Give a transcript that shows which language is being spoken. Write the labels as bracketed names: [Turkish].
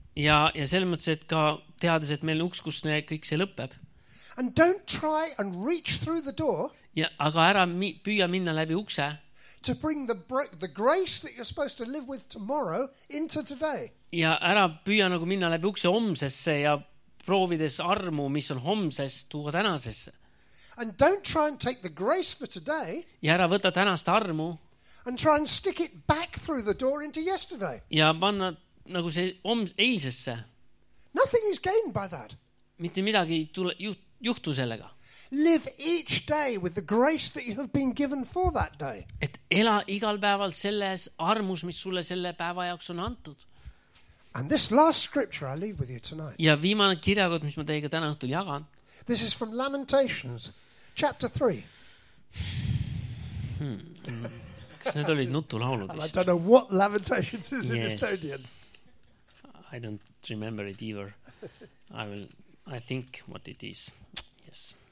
[Estonian] Ja selles mõttes, et ka teades, et meil uks, kus kõik see lõpeb. [English] And don't try and reach through the door. [Estonian] Ja aga ära püüa minna läbi ukse. [English] To bring the grace that you're supposed to live with tomorrow into today. [Estonian] Ja ära püüa nagu minna läbi ukse homsesse ja proovides armu, mis on homses, tuua tänasesse. [English] And don't try and take the grace for today. [Estonian] Ja ära võtta tänast armu. [English] And try and stick it back through the door into yesterday. [Estonian] Ja panna nagu see eilsesse. [English] Nothing is gained by that. [Estonian] Mitte midagi juhtu sellega. [English] Live each day with the grace that you have been given for that day. [Estonian] Et ela igal päeval selles armus, mis sulle selle päeva jaoks on antud. [English] And this last scripture I leave with you tonight. [Estonian] Ja viimane kirjakoht, mis ma teiega täna õhtul jagan. [English] This is from Lamentations chapter 3. [Estonian] need olid nutu laulud. [English] I don't know what Lamentations is in Estonian. I don't remember it either. I think what it is. Yes.